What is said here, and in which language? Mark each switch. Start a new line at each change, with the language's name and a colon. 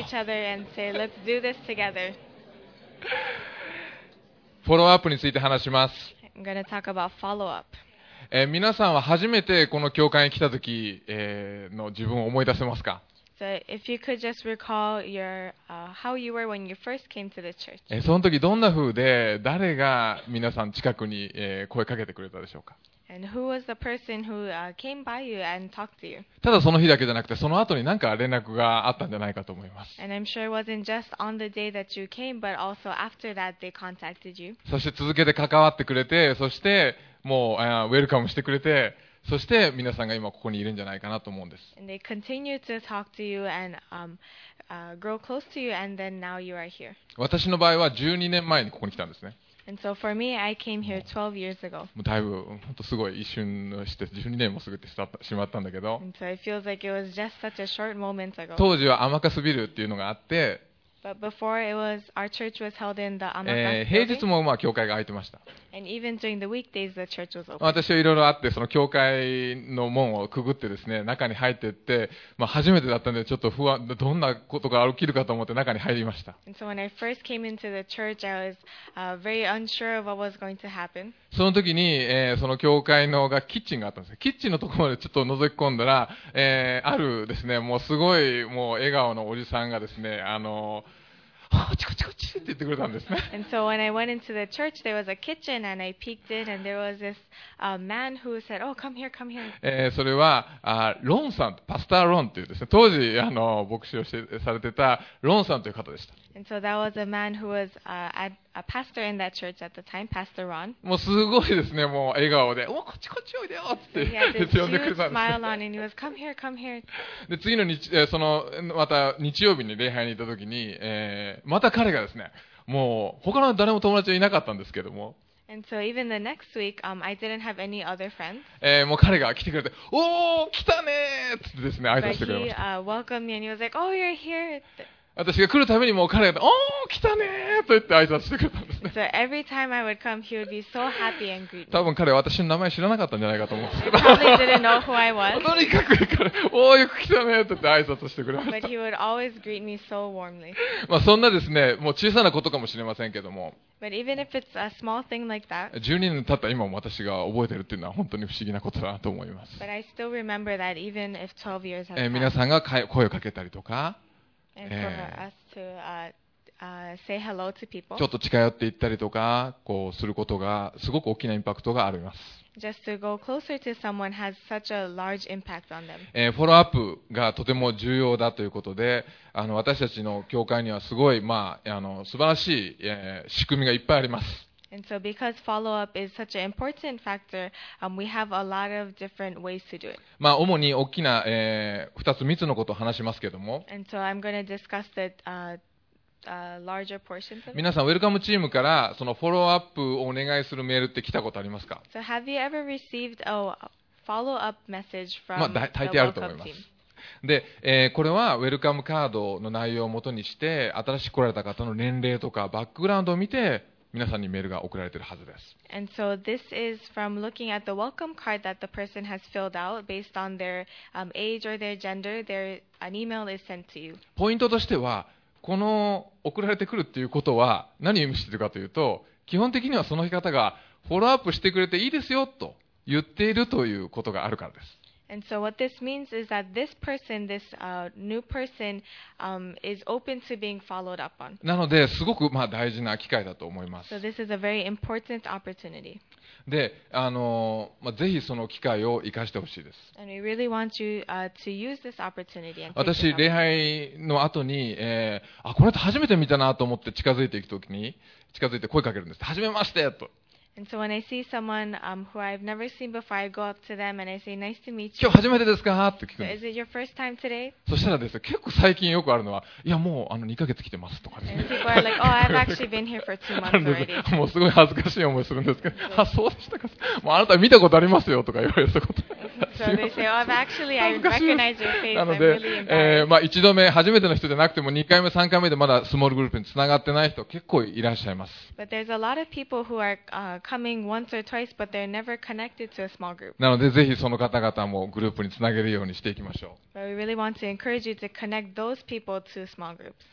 English: Greet each other and say, let's do this together.
Japanese: フォローアップについて話します。
English: I'm going to talk about follow-up.
Japanese: 皆さんは初めてこの教会に来た時、の自分を思い出せますか？
English: So if you could just recall your, how you were when you first came to the church.
Japanese: その時どんな風で誰が皆さん近くに、声かけてくれたでしょうか。
English: And who was the person who, came by you and talked to you?
Japanese: ただその日だけじゃなくてその後に何か連絡があったんじゃないかと思います。
English: And I'm sure it wasn't just on the day that you came, but also after that they contacted you.
Japanese: そして続けて関わってくれて、そしてもう、ウェルカムしてくれて、そして皆さんが今ここにいるんじゃないかなと思うんです。
English: And they continue to talk to you and, grow close to you, and then now you are here.
Japanese: 私の場合は12年前にここに来たんですね。
English: And so for me, I came here 12 years ago.
Japanese: もうだいぶ本当すごい一瞬して12年も過ぎてしまったんだけど。
English: And so it feels like it was just such a short moment ago.
Japanese: 当時は天笠ビルっていうのがあって、
English: But before it was, our church was held in the Amakasa.
Japanese: 平日もまあ教会が開いてました。
English: And even during the weekdays, the church was open.
Japanese: 私はいろいろあってその教会の門をくぐってですね中に入ってって、まあ、初めてだったのでちょっと不安どんなことが起きるかと思って中に入りました。
English: And so when I first came into the church, I was, very unsure of what was going to happen.
Japanese: その時に、その教会のがキッチンがあったんです。キッチンのところまでちょっと覗き込んだら、あるですねもうすごいもう笑顔のおじさんがですね
English: and so when I went into the church, there was a kitchen, and I peeked in, and there was this, man who said, "Oh, come here, come here."
Japanese: それは、ロンさん、パスターロンっていうですね、当時牧師をされてたロンさんという方でした。
English: And so that was a man who was, a pastor in that church at the time, Pastor Ron.
Japanese: もうすごいですね、もう笑顔で、おこっちこっちおいでよって呼んでくれたんです。
English: Smile on, and he was, "Come here, come here."
Japanese: で次の日、そのまた日曜日に礼拝に行った時に、また彼がですね、もう他の誰も友達はいなかったんですけども。
English: And so even the next week, I didn't have any other friends.
Japanese: もう彼が来てくれて、おお来たねーってですね、挨拶してくれました。
English: But he, welcomed me and he was like, "Oh, you're here."
Japanese: って私が来るためにもう彼がおお来たねーと言って挨拶してくれたんですね。
English: So every time I would come, he would be so happy and greet me.
Japanese: 多分彼は私の名前知らなかったんじゃないかと思うんですけど。
English: He didn't know who I was.
Japanese: とにかく彼、おおよく来たねーと言って挨拶してくれました。
English: But he would always greet me so warmly.
Japanese: まあそんなですね、もう小さなことかもしれませんけども。
English: But even if it's a small thing like that.
Japanese: 12年経った今も私が覚えてるっていうのは本当に不思議なことだなと思います。
English: But I still remember that even if 12 years have passed.
Japanese: 皆さんが声をかけたりとか。ちょっと近寄って行ったりとかこうすることがすごく大きなインパクトがあります。
English: Just to go closer to someone has such a large impact on them.
Japanese: フォローアップがとても重要だということで、私たちの教会にはすごい、まあ、素晴らしい、仕組みがいっぱいあります。
English: And so because follow-up is such an important factor, we have a lot of different ways to do it.
Japanese: まあ主に大きな、2つ3つのことを話しますけども。
English: And so I'm going to discuss the, larger portions of it.
Japanese: 皆さん、ウェルカムチームからそのフォローアップをお願いするメールって来たことありますか？
English: So have you ever received a follow-up message from the welcome team?
Japanese: まあ大抵あると思います。で、これはウェルカムカードの内容をもとにして、新しく来られた方の年齢とかバックグラウンドを見て、皆さんにメールが送られているはずです。
English: And so this is from looking at the welcome card that the person has filled out based on their, age or their gender, an email is sent to you.
Japanese: ポイントとしては、この送られてくるっていうことは何を意味しているかというと、基本的にはその方がフォローアップしてくれていいですよと言っているということがあるからです。
English: And so what this means is that this person, this, new person, is open to being followed up on.
Japanese: なのですごくまあ大事な機会だと思います。
English: So this is a very important opportunity.
Japanese: で、まあ、ぜひその機会を生かしてほしいです。
English: And we really want you, to use this opportunity and take it up.
Japanese: 私礼拝の後に、あ、これって初めて見たなと思って近づいていくときに、近づいて声かけるんです。初めましてと。
English: And so when I see someone who I've never seen before, I go up to them and I say, "Nice to meet you."
Japanese: 今日初めてですか？って聞くんです。
English: So, is it your first time today?
Japanese: そしたらですね、結構最近よくあるのは、いやもう2ヶ月来てますとかですね。
English: And people are like, "Oh, I've actually been here for 2 months already."
Japanese: もうすごい恥ずかしい思いするんですけど、あ、そうでしたか。もうあなた見たことありますよとか言われたこと。
English: So they say, "Oh, actually, I recognize your face."
Japanese: なので、まあ1度目初めての人じゃなくても2回目3回目でまだスモールグループにつながってない人結構いらっしゃいます。
English: But there's a lot of people who are coming once or twice, but they're never connected to a small group.
Japanese: なのでぜひその方々もグループにつなげるようにしていきましょう。
English: But we really want to encourage you to connect those people to small groups.